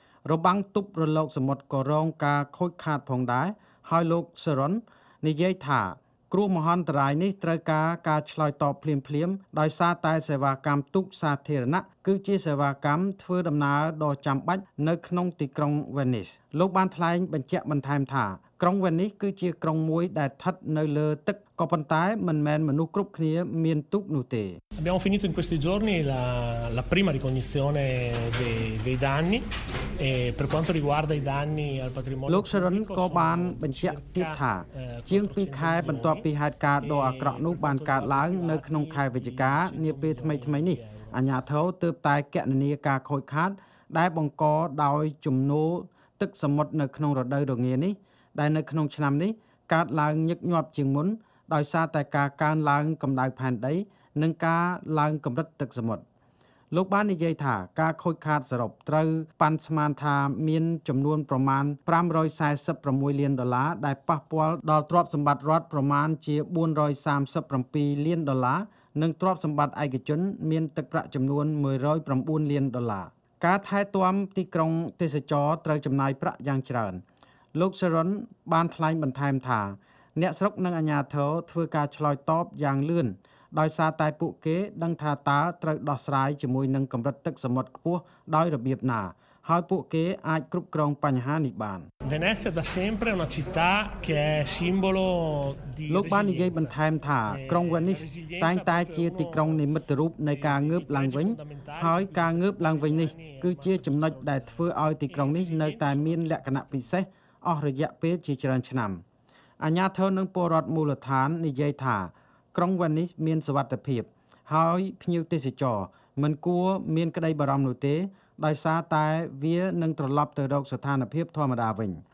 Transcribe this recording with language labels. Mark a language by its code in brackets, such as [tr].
[km] របាំងទប់រលកសមុទ្រក៏រងការខូចខាតផងដែរហើយលោកសេរ៉ុននិយាយថាគ្រោះមហន្តរាយនេះត្រូវការការឆ្លើយតបភ្លាមៗដោយសារតែសេវាកម្មទូកសាធារណៈគឺជាសេវាកម្មធ្វើដំណើរដ៏ចាំបាច់នៅក្នុងទីក្រុងវ៉េនីសលោកបានថ្លែងបញ្ជាក់បន្ថែមថាក្រុងវ៉េនីសគឺជាក្រុងមួយដែលស្ថិតនៅលើទឹកក៏ប៉ុន្តែមិនមែនមនុស្សគ្រប់គ្នាមានទូកនោះទេ [it] Abbiamo finito in questi giorni la prima ricognizione dei danni e per quanto riguarda i danni al patrimonio [km] លោកសរនក៏បានបញ្ជាក់ទៀតថាជាង2ខែបន្ទាប់ពីហេតុការណ៍ដ៏អាក្រក់នោះបានកើតឡើងនៅក្នុងខែវិច្ឆិកានាពេលថ្មីៗនេះអាញាធរទើបតែគណនីការខូចខាតដែលបង្កដោយជំនោរទឹកសមុទ្រនៅក្នុងរដូវរងានេះដែលនៅក្នុងឆ្នាំនេះកើតឡើងញឹកញាប់ជាងមុនដោយសារតែការកើនឡើងកម្ដៅផែនដីនិងការឡើងកម្រិតទឹកសមុទ្រ លោកបាននិយាយថាការខូចខាតសរុបត្រូវប៉ាន់ស្មានថាមានចំនួនប្រមាណ546លានដុល្លារដែលប៉ះពាល់ដល់ទ្រព្យសម្បត្តិរដ្ឋប្រមាណជា 437លានដុល្លារនិងទ្រព្យសម្បត្តិឯកជនមានទឹកប្រាក់ចំនួន109លានដុល្លារការថែទាំទីក្រុងទេសចរត្រូវចំណាយប្រាក់យ៉ាងច្រើនលោកសេរ៉ុនបានថ្លែងបន្ថែមថាអ្នកស្រុកនិងអាជ្ញាធរធ្វើការឆ្លើយតបយ៉ាងលឿនដោយសារតែពួកគេដឹងថាតើត្រូវដោះស្រាយជាមួយនឹងកម្រិតទឹកសមុទ្រខ្ពស់ដោយរបៀបណាហើយពួកគេអាចគ្រប់គ្រងបញ្ហានេះបាន វ៉េនីសដ៏ [it] sempre una città che è simbolo di [km] លោកបាននិយាយបន្ថែមថាក្រុងវ៉េនីសតែងតែជាទីក្រុងនិមិត្តរូបនៃការងើបឡើងវិញហើយការងើបឡើងវិញនេះគឺជាចំណុចដែលធ្វើឲ្យទីក្រុងនេះនៅតែមានលក្ខណៈពិសេសអស់រយៈពេលជាច្រើនឆ្នាំអាជ្ញាធរនិងពលរដ្ឋមូលដ្ឋាននិយាយថាក្រុងវ៉ានីសមានសុវត្ថិភាពហើយភ្ញៀវទេសចរមិនគួរមានក្តីបារម្ភនោះទេដោយសារតែវានឹងត្រឡប់ទៅរកស្ថានភាពធម្មតាវិញ